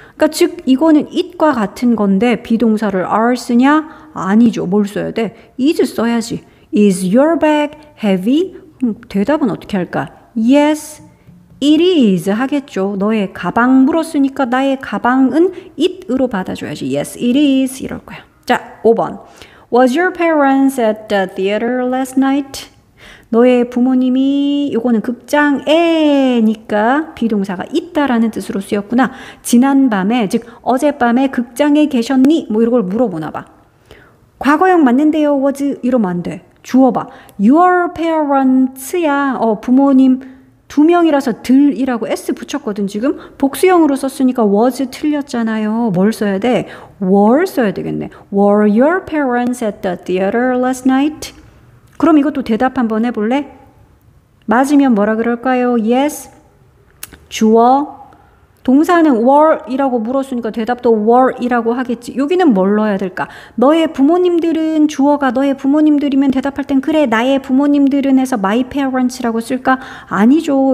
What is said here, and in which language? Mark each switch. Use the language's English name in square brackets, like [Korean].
[Korean] 그러니까 즉 이거는 it과 같은 건데 비동사를 are 쓰냐? 아니죠. 뭘 써야 돼? is 써야지. [English] Is your bag heavy? [Korean] 대답은 어떻게 할까? [English] Yes, it is [Korean] 하겠죠. 너의 가방 물었으니까 나의 가방은 it으로 받아줘야지. [English] Yes, it is [Korean] 이럴 거야. 자, 5번. [English] Was your parents at the theater last night? [Korean] 너의 부모님이 요거는 극장에니까 비동사가 있다라는 뜻으로 쓰였구나. 지난밤에 즉 어젯밤에 극장에 계셨니? 뭐 이런 걸 물어보나 봐. 과거형 맞는데요. was 이러면 안 돼. 주어 봐. your parents야. 부모님 두 명이라서 들이라고 s 붙였거든 지금. 복수형으로 썼으니까 was 틀렸잖아요. 뭘 써야 돼? were 써야 되겠네. [English] were your parents at the theater last night? [Korean] 그럼 이것도 대답 한번 해볼래? 맞으면 뭐라 그럴까요? Yes, 주어, 동사는 were이라고 물었으니까 대답도 were이라고 하겠지. 여기는 뭘 넣어야 될까? 너의 부모님들은 주어가 너의 부모님들이면 대답할 땐 그래, 나의 부모님들은 해서 [English] my parents [Korean] 라고 쓸까? 아니죠.